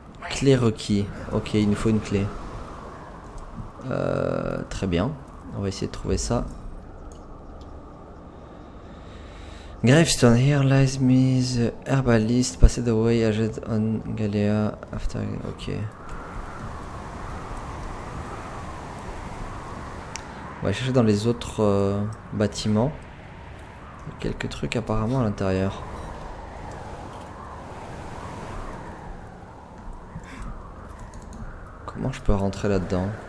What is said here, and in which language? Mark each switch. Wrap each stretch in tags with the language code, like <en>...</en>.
<fr>Clé requis. Ok, il nous faut une clé. Très bien. On va essayer de trouver ça.</fr> <en>Gravestone, here lies Miss Herbalist, passed away, aged on Galea after.</en> <fr>Ok. On va chercher dans les autres bâtiments. Quelques trucs apparemment à l'intérieur. Comment je peux rentrer là-dedans?</fr>